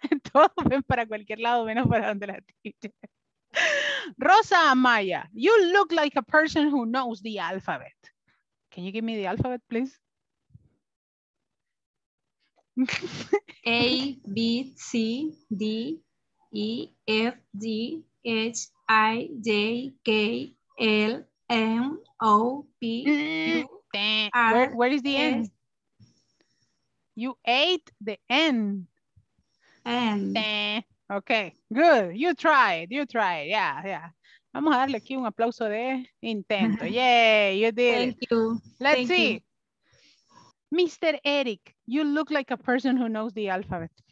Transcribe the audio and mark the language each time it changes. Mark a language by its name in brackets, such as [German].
[Spanish] Todos ven para cualquier lado, menos para donde la tiene. [English] Rosa Amaya, you look like a person who knows the alphabet. Can you give me the alphabet, please? A, B, C, D, E, F, G, H, I, J, K, L, M, O, P, Q. Where is the N? You ate the N. N. Okay, good. You tried. Yeah, yeah. [Spanish] Vamos a darle aquí un aplauso de intento. [English] Yay, you did. Thank you. Let's see. Mr. Eric, you look like a person who knows the alphabet.